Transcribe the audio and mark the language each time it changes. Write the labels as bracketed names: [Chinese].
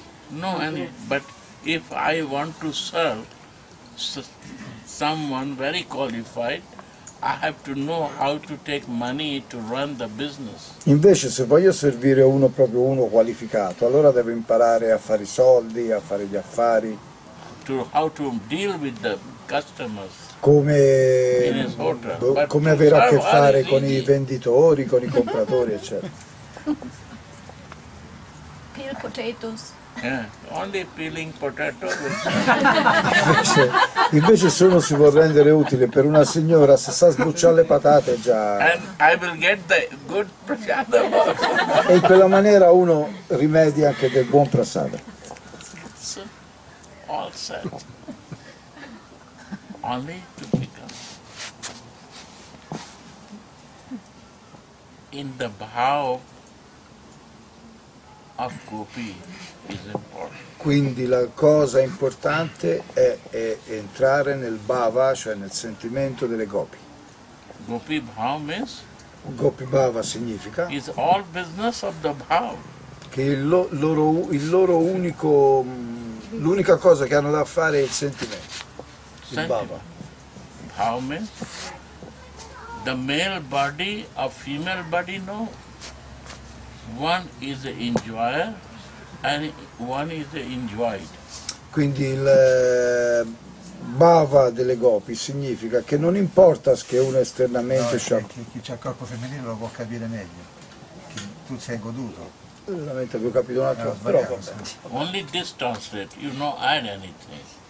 [English] No, any, but if I want to serve someone very qualified, I have to know how to take money to run the business. [Italian] Invece, se voglio servire uno, proprio uno qualificato, allora devo imparare a fare i soldi, a fare gli affari. [English] To how to deal with the customers. [Italian] Come, come avere a che fare con i venditori, con i compratori, eccetera. [English] Peel potatoes. Yeah, only peeling potatoes. [Italian] Invece se uno si vuol rendere utile per una signora, se sa sbucciare le patate già. [English] And I will get the good prasada. [Italian] E in quella maniera uno rimedia anche del buon prasada. [English] So, all set. Only to become in the bhav of gopi is important. [Italian] Quindi la cosa importante è entrare nel bhava, cioè nel sentimento delle gopi. [English] Gopi bhava means? [Italian] Gopi bhava significa? [English] Is all business of the bhava. [Italian] Che il loro unico, l'unica cosa che hanno da fare è il sentimento. Il bhava. [English] How many? The male body or female body? No. One is the enjoyer and one is the enjoyed. [Italian] Quindi il bhava delle gopi significa che non importa che uno esternamente c'ha. No, chi c'ha il corpo femminile lo può capire meglio. Che tu sei goduto. Veramente avevo capito un altro, però. [English] Only this translate, you know, add anything.